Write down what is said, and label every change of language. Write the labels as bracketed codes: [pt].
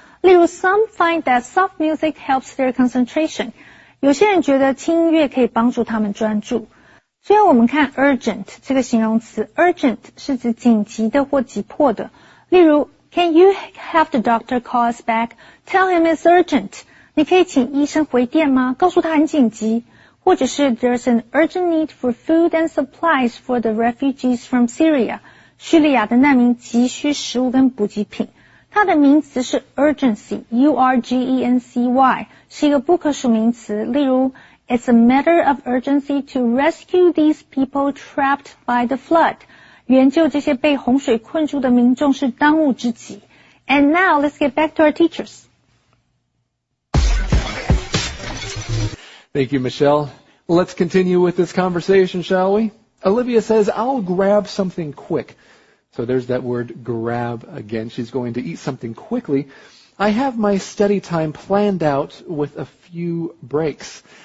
[zh] 例如 [en] some find that soft music helps their concentration. [zh] 有些人觉得轻音乐可以帮助他们专注。最后我们看 urgent 这个形容词。urgent 是指紧急的或急迫的。 [en] 例如 can you have the doctor call us back? Tell him it's urgent. [zh] 你可以请医生回电吗？告诉他很紧急。或者是 [en] there's an urgent need for food and supplies for the refugees from Syria. [zh] 叙利亚的难民急需食物跟补给品。它的名词是 [en] urgency, U-R-G-E-N-C-Y, [zh] 是一个不可数名词，例如 [en] It's a matter of urgency to rescue these people trapped by the flood. [zh] 援救这些被洪水困住的民众是当务之急。 [en] And now, let's get back to our teachers. Thank you, Michelle. Let's continue with this conversation, shall we? Olivia says, I'll grab something quick. So there's that word grab again. She's going to eat something quickly. I have my study time planned out with a few breaks.